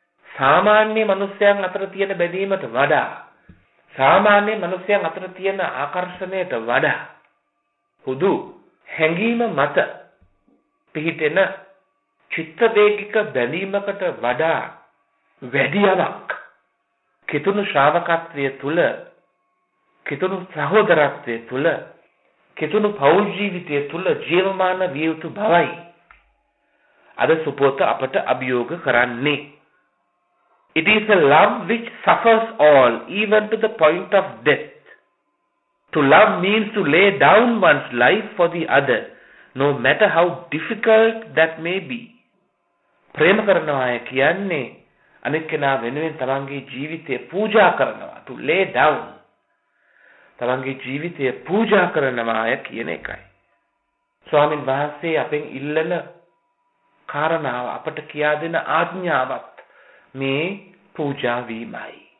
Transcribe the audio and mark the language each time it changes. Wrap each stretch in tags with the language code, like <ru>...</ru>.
<si>සාමාන්‍ය මිනිස්සුයන් අතර තියෙන බැඳීමට වඩා, සාමාන්‍ය මිනිස්සුයන් අතර තියෙන ආකර්ෂණයට වඩා හුදු හැඟීම මත පිහිටෙන චිත්තවේගික බැඳීමකට වඩා වැඩියක් කිතුණු ශ්‍රාවකත්වය තුල, කිතුණු සහෝදරත්වය තුල, කිතුණු පෞල් ජීවිතය තුළ ජීවමාන විය යුතු බවයි අද සුපෝත අපට අභියෝග කරන්නේ.</si> <en>It is a love which suffers all, even to the point of death. To love means to lay down one's life for the other, no matter how difficult that may be.</en> <si>ප්‍රේම කරනවා කියන්නේ අනෙක් කෙනා වෙනුවෙන් තමන්ගේ ජීවිතය පූජා කරනවා.</si> <en>To lay down.</en> <si>තමන්ගේ ජීවිතය පූජා කරනවා ය කියන එකයි. ස්වාමීන් වහන්සේ අපෙන් ඉල්ලන කාරණාව, අපට කියා දෙන ආඥාවත් මේ පූජා වීමයි.</si>